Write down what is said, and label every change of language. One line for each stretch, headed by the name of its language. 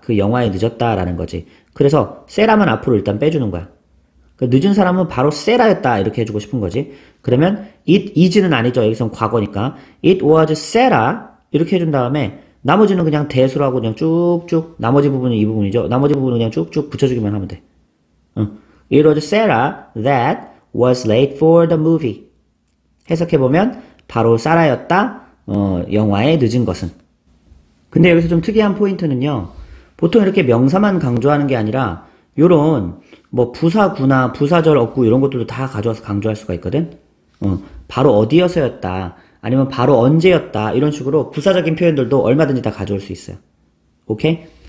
Korean: 그 영화에 늦었다라는 거지. 그래서 Sarah만 앞으로 일단 빼주는 거야. 늦은 사람은 바로 세라였다 이렇게 해주고 싶은 거지. 그러면
English: it is
Korean: 는 아니죠. 여기선 과거니까
English: it was
Korean: 세라 이렇게 해준 다음에 나머지는 그냥 대수라고 그냥 쭉쭉 나머지 부분은 이 부분이죠. 나머지 부분은 그냥 쭉쭉 붙여주기만 하면 돼.
English: It was 세라 that was late for the movie.
Korean: 해석해 보면 바로 세라였다. 영화에 늦은 것은. 근데 여기서 좀 특이한 포인트는요. 보통 이렇게 명사만 강조하는 게 아니라 요런 뭐 부사구나 부사절 어구 이런 것들도 다 가져와서 강조할 수가 있거든. 바로 어디여서였다 아니면 바로 언제였다 이런 식으로 부사적인 표현들도 얼마든지 다 가져올 수 있어요. 오케이?